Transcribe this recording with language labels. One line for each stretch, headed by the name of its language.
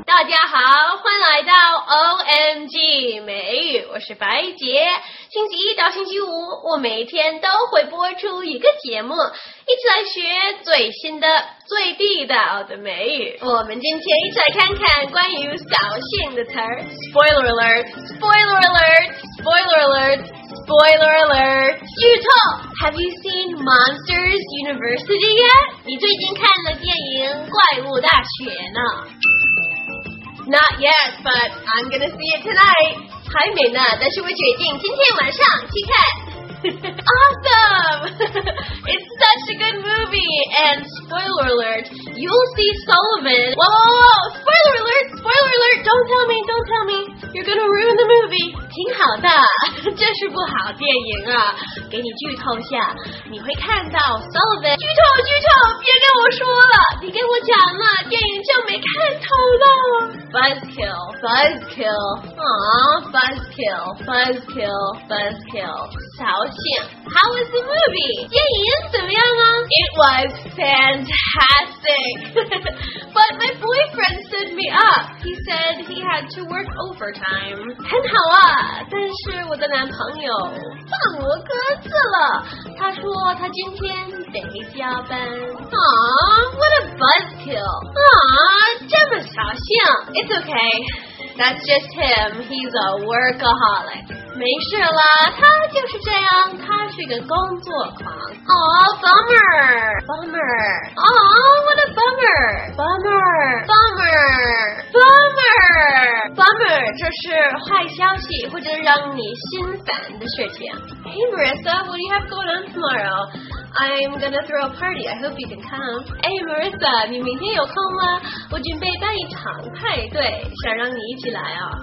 Chinese: 家好，欢迎来到 OMG 美语，我是白杰。星期一到星期五，我每天都会播出一个节目，一起来学最新的、最地道的美语。我们今天一起来看看关于扫兴的词儿。
English: Spoiler alert! Spoiler alert! Spoiler alert! Spoiler alert!
Chinese: 剧透
English: ！Have you seen Monsters University yet?
Chinese: 你最近看了电影《怪物大学》呢？
English: Not yet, but I'm gonna see it tonight.
Chinese: 还没呢，但是我决定今天晚上去看。
English: Awesome! It's such a good movie. And spoiler alert, you'll see Sullivan. Whoa! Spoiler alert! Spoiler alert! Don't tell me! Don't tell me! You're gonna ruin the movie.
Chinese: 挺好的，这是部好电影啊。给你剧透下，你会看到 Sullivan。剧透！剧透！别跟我说了，你跟我讲了，电影就没看头了。
English: Buzzkill, buzzkill, aww, buzzkill, buzzkill, buzzkill.
Chinese: 扫兴
English: How was the movie?
Chinese: 电影怎么样啊
English: It was fantastic. But my boyfriend set me up. He said he had to work overtime.
Chinese: 很好啊，但是我的男朋友放我鸽子了。他说他今天得加班。
English: Aww, what a buzzkill. Aww,
Chinese: 这么扫兴。
English: It's okay. That's just him. He's a workaholic.
Chinese: 没事啦，他就是这样，他是个工作狂。
English: Aw, bummer! Bummer! Aw, what a bummer! Bummer! Bummer! Bummer! Bummer!
Chinese: 这是坏消息或者让你心烦的事情。
English: Hey Marissa, what do you have going on tomorrow? I'm gonna throw a party. I hope you can come.
Chinese: Hey, Marissa, 你明天有空吗？我准备办一场派对，想让你一起来啊。